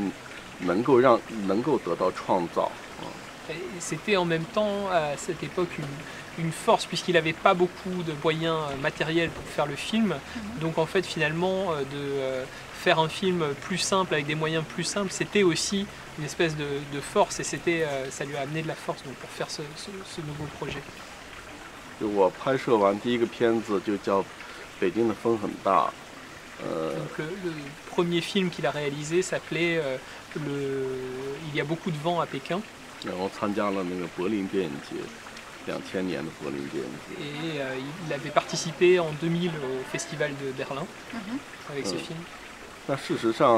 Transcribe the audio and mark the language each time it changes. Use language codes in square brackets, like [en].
[zh] 因为在那个时候你没有太多的物质，所以你只能有这样的一种，必须要拥有这样的一种力量，你才能够得到创造。 [fr] C'était en même temps à cette époque une force puisqu'il n'avait pas beaucoup de moyens matériels pour faire le film. Donc en fait finalement de faire un film plus simple avec des moyens plus simples, c'était aussi une espèce de force et c'était ça lui a amené de la force donc pour faire ce nouveau projet. [zh] 我拍摄完第一个片子就叫《北京的风很大》。 [fr] Le premier film qu'il a réalisé s'appelait Il y a beaucoup de vent à Pékin. [zh] 然后参加了那个柏林电影节，2000年的柏林电影节。 [fr] Et il avait participé en 2000 au festival de Berlin avec ce film.